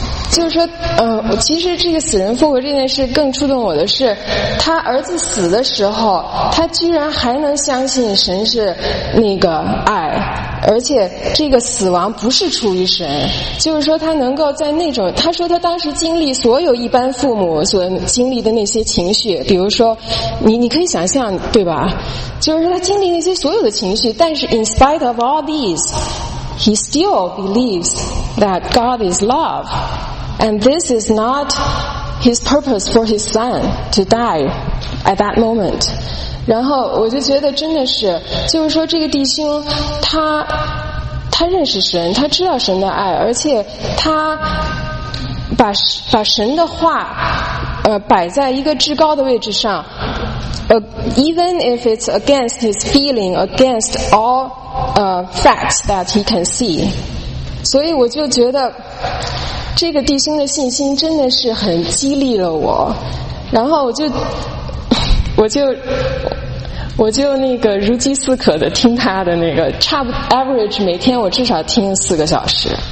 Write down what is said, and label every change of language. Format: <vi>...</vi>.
<zh>就是说，其实这个死人复活这件事更触动我的是，他儿子死的时候，他居然还能相信神是那个爱，而且这个死亡不是出于神，就是说他能够在那种，他说他当时经历所有一般父母所经历的那些情绪，比如说，你可以想象，对吧？就是说他经历那些所有的情绪，但是</zh> <en>in spite of all these, he still believes that God is love. And this is not his purpose for his son to die at that moment.</en> <zh>然后我就觉得真的是，就是说这个弟兄他认识神，他知道神的爱，而且他把神的话摆在一个至高的位置上。</zh> <en>Even if it's against his feeling, against all facts that he can see.</en> <zh>所以我就觉得这个弟兄的信心真的是很激励了我，然后我就那个如饥似渴的听他的那个，差不 average 每天我至少听4个小时，</zh>